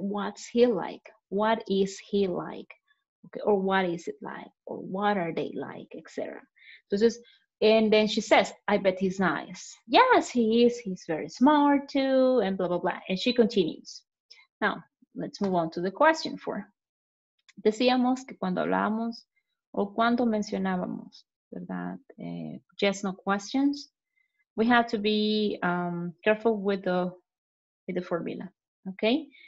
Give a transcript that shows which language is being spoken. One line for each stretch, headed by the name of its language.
English: What's he like? What is he like? Okay, or what is it like? Or what are they like, etc. Entonces, and then she says, I bet he's nice. Yes, he is. He's very smart too, and blah, blah, blah. And she continues. Now, let's move on to the question four.
Spanish: Decíamos que cuando hablábamos o cuando mencionábamos, ¿verdad?
English: Yes, no questions. We have to be careful with the formula, okay?